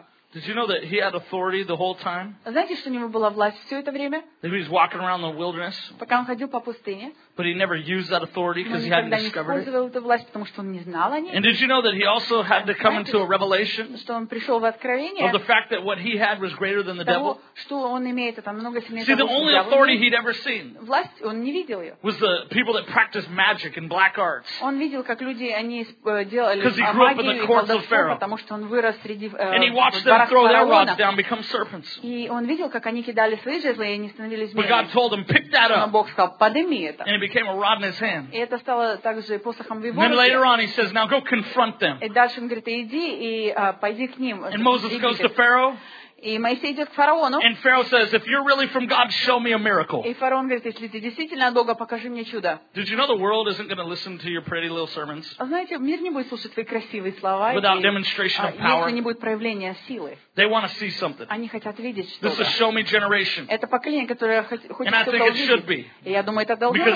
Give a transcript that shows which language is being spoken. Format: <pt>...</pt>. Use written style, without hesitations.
<en>Did you know that he had authority the whole time?</en> <ru>Знаете, что у него была власть всё это время?</ru> <en>That he was walking around the wilderness.</en> <ru>Пока он ходил по пустыне.</ru> <en>But he never used that authority because he hadn't discovered it.</en> <ru>Он никогда не использовал эту власть, потому что он не знал о ней.</ru> <en>And did you know that he also had to come into a revelation?</en> <ru>Что он пришёл в откровение?</ru> <en>Of the fact that what he had was greater than the devil.</en> <ru>Что он имеет это намного сильнее.</ru> <en>See, the only authority he'd ever seen.</en> <ru>Власть он не видел её.</ru> <en>Was the people that practiced magic and black arts.</en> <ru>Он видел, как люди они делали магию и колдовство, потому что он вырос среди</ru> <en>throw their rods down, become serpents.</en> <ru>И он видел, как они кидали свои жезлы, и они становились змеями.</ru> <en>But God told him, pick that up.</en> <ru>Но Бог сказал, подними это.</ru> <en>And it became a rod in his hand.</en> <ru>И это стало также посохом в его руке.</ru> <en>Then later on, he says, now go confront them.</en> <ru>И дальше он говорит, иди и пойди к ним.</ru> <en>And Moses goes to Pharaoh.</en> <ru>И Моисей идет к фараону.</ru> <en>And Pharaoh says, if you're really from God, show me a miracle.</en> <ru>И фараон говорит, если ты действительно от Бога, покажи мне чудо.</ru> <en>Did you know the world isn't going to listen to your pretty little sermons?</en> <ru>Знаете, мир не будет слушать твои красивые слова.</ru> <en>Without demonstration of power.</en> <ru>Если не будет проявления силы.</ru> <en>They want to see something.</en> <ru>Они хотят видеть что-то.</ru> <en>This is show me generation.</en> <ru>Это поколение, которое хочет что-то увидеть.</ru> <en>And I think it should be.</en> <ru>И я думаю, это должно быть.</ru>